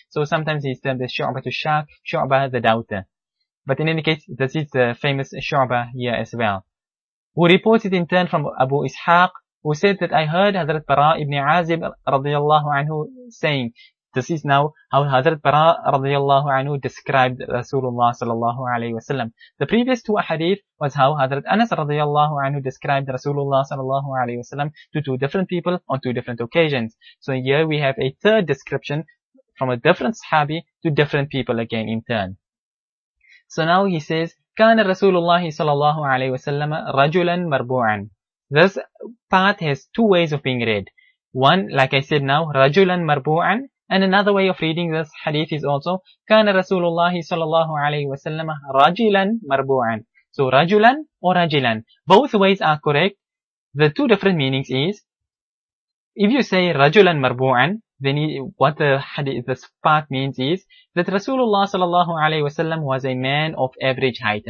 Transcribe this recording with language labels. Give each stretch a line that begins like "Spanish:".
English: So sometimes he's termed as Shu'bah al-Shak, Shu'bah the doubter. But in any case, this is the famous Shu'bah here as well, who reported in turn from Abu Ishaq, who said that I heard Hazrat Bara ibn Azib radiyallahu anhu saying, this is now how Hazrat Bara radiyallahu anhu described Rasulullah sallallahu alayhi wa sallam. The previous two hadith was how Hazrat Anas radiyallahu anhu described Rasulullah sallallahu alayhi wa sallam to two different people on two different occasions. So here we have a third description from a different sahabi to different people again in turn. So now he says,
Arabic: كان رسول الله صلى الله عليه وسلم رجلا مربوعا.
English: This part has two ways of being read. One, like I said now,
Arabic: رجلا مربوعا.
English: And another way of reading this hadith is also,
Arabic: كان رسول الله صلى الله عليه وسلم رجلا مربوعا.
English: So رجلا or رجلا. Both ways are correct. The two different meanings is, if you say
Arabic: رجلا مربوعا,
English: then what the hadith, this part means is that Rasulullah sallallahu alayhi wa sallam was a man of average height.